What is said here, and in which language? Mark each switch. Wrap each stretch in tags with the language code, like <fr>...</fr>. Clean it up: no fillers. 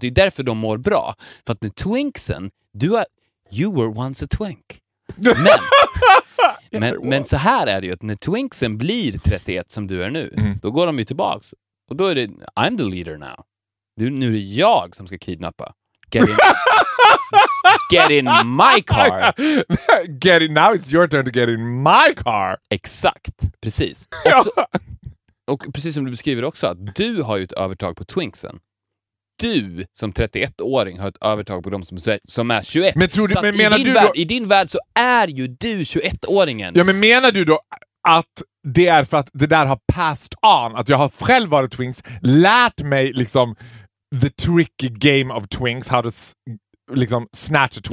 <sv>Det är därför de mår bra. För att med twinksen, du är,</sv> <en>you were once a twink.</en> <sv>Men så här är det ju, att när twinksen blir 31 som du är nu, då går de ju tillbaks. Och då är det,</sv> <en>I'm the leader now.</en> <sv>Nu är det jag som ska kidnappa.</sv> <en>Get in my car. Get in, now it's your turn to get in my car.</en> <sv>Exakt, precis. Och precis som du beskriver också, att du har ju ett övertag på twinksen. Du som 31-åring har ett övertag på dem som är 21. Men tror du, men menar du värld, då, i din värld så är ju du 21-åringen. Ja, men menar du då att det är för att det där har</sv> <en>passed on,</en> <sv>att jag har själv varit twinks, lärt mig liksom</sv> <en>the tricky game of twinks, how to</en> <sv>liksom</sv> <en>snatch a twink.</en>